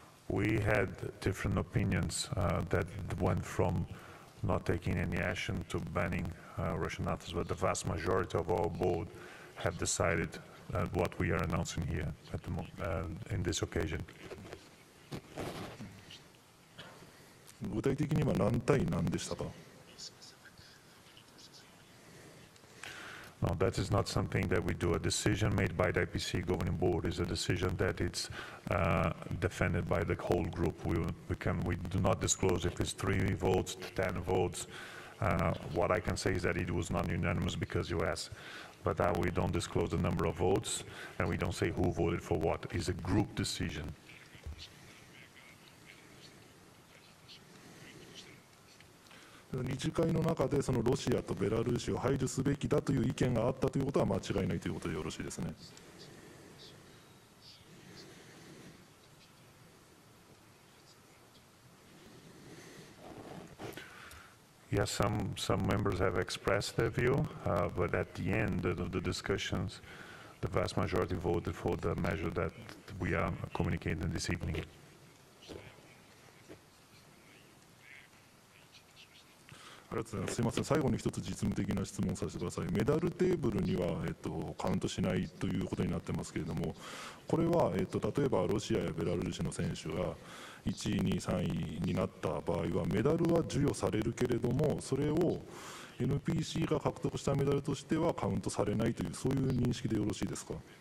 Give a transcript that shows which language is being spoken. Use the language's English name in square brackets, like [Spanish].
[English] We had different opinions that went from not taking any action to banning Russian athletes, but the vast majority of our board have decided what we are announcing here at the in this occasion. [Japanese] 具体的には何対何でしたか。 [English] No, that is not something that we do. A decision made by the IPC governing board is a decision that it's defended by the whole group. We do not disclose if it's 3 votes, 10 votes. What I can say is that it was not unanimous because you asked. But we don't disclose the number of votes and we don't say who voted for what. It's a group decision. [Japanese] 二次会の中でそのロシアとベラルーシを排除すべきだという意見があったということは間違いないということでよろしいですね。 [English] Yes, some members have expressed their view, but at the end of the discussions, the vast majority voted for the measure that we are communicating this evening. [Japanese] すいません、最後に一つ実務的な質問させてください。メダルテーブルにはカウントしないということになってますけれども、これは例えばロシアやベラルーシの選手が1位、2位、3位になった場合はメダルは授与されるけれども、それを NPC が獲得したメダルとしてはカウントされないという、そういう認識でよろしいですか。